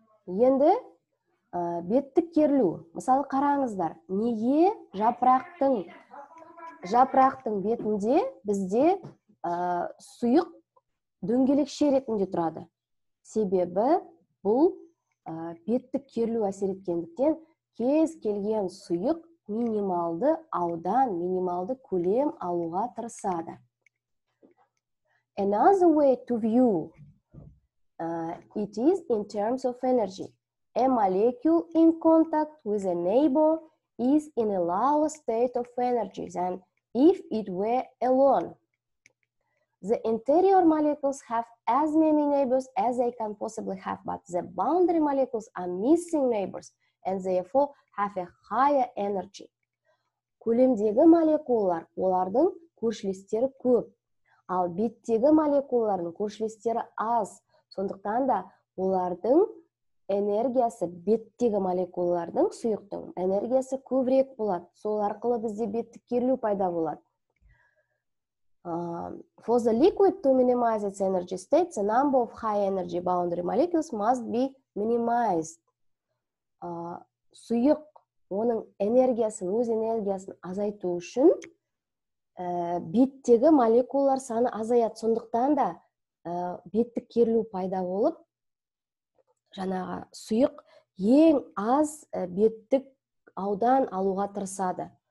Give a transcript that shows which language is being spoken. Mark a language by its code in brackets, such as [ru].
[kk] Енді беттік керілу. Мысалы қараңыздар, неге жапырақтың бетінде бізде сұйық дөңгелекше ретінде тұрады? Себебі бұл беттік керілу әсер еткендіктен кез келген сұйық минималды аудан, минималды көлем алуға тырысады. [en] Another way to view it is in terms of energy. A molecule in contact with a neighbor is in a lower state of energy than if it were alone. The interior molecules have as many neighbors as they can possibly have, but the boundary molecules are missing neighbors and therefore have a higher energy. [kk] Көлемдегі молекулалар, олардың көршілестері көп. Ал беттегі молекулалардың көршілестері аз. Сондықтан да олардың энергиясы, беттегі молекулалардың сұйықтың энергиясы көбірек болады. Сол арқылы бізде беттік керілу пайда болады. [en] For the liquid to minimize its energy state, the number of high energy boundary molecules must be minimized. [kk] Сұйық оның энергиясын, өз энергиясын азайту үшін беттегі молекулалар саны азаяды. Сондықтан да беттік керілу пайда болып, жаңағы сұйық ең аз беттік аудан алуға тырысады.